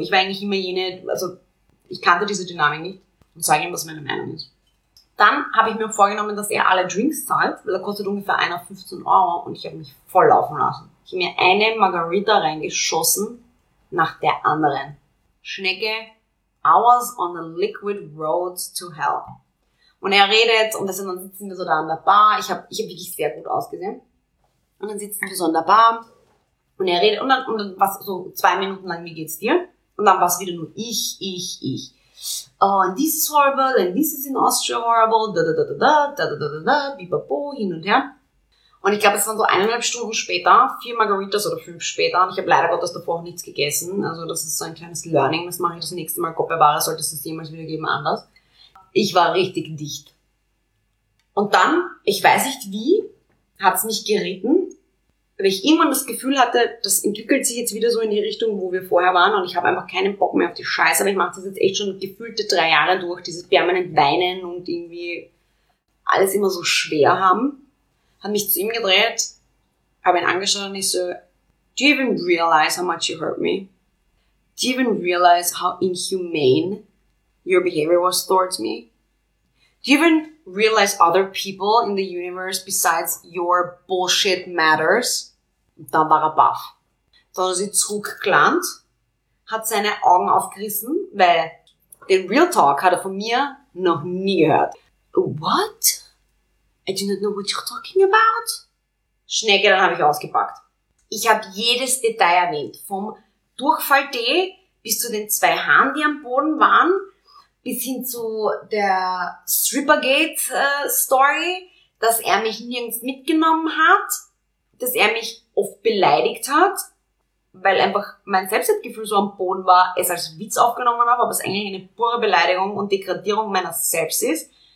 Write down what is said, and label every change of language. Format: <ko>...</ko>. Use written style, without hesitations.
<de>Ich war eigentlich immer jene, also ich kannte diese Dynamik nicht und sage ihm, was meine Meinung ist. Dann habe ich mir vorgenommen, dass er alle Drinks zahlt, weil er kostet ungefähr 1 auf 15 Euro und ich habe mich voll laufen lassen. Ich habe mir eine Margarita reingeschossen nach der anderen. Schnecke,</de> <en>I was on the liquid road to hell.</en> <de>Und er redet und dann sitzen wir so da an der Bar. Ich hab wirklich sehr gut ausgesehen. Und dann sitzen wir so an der Bar und er redet und dann was so 2 Minuten lang, wie geht's dir? Und dann war es wieder nur ich.</de> <en>Oh, and this is horrible, and this is in Austria horrible,</en> <de>da, bibabo, hin und her. Und ich glaube, es waren so 1,5 Stunden später, 4 Margaritas oder 5 später, und ich habe leider Gottes davor auch nichts gegessen. Also das ist so ein kleines Learning, das mache ich das nächste Mal, Gott bewahre, sollte es das jemals wieder geben, anders. Ich war richtig dicht. Und dann, ich weiß nicht wie, hat es mich geritten, weil ich irgendwann das Gefühl hatte, das entwickelt sich jetzt wieder so in die Richtung, wo wir vorher waren, und ich habe einfach keinen Bock mehr auf die Scheiße, aber ich mache das jetzt echt schon gefühlte 3 Jahre durch, dieses permanent Weinen und irgendwie alles immer so schwer haben. Hat mich zu ihm gedreht, habe ihn angeschaut und ich so,</de> <en>do you even realize how much you hurt me? Do you even realize how inhumane your behavior was towards me? Do you even realize other people in the universe besides your bullshit matters?</en> <de>Und dann war er baff. Dann hat er sich zurückgelandet, hat seine Augen aufgerissen, weil den Real Talk hat er von mir noch nie gehört.</de> <en>What? I do not know what you're talking about.</en> <de>Schnecke, dann habe ich ausgepackt. Ich habe jedes Detail erwähnt. Vom Durchfall-Tee bis zu den 2 Haaren, die am Boden waren, bis hin zu der Strippergate-Story, dass er mich nirgends mitgenommen hat, dass er mich oft beleidigt hat, weil einfach mein Selbstwertgefühl so am Boden war, es als Witz aufgenommen habe, aber es eigentlich eine pure Beleidigung und Degradierung meiner selbst ist.</de>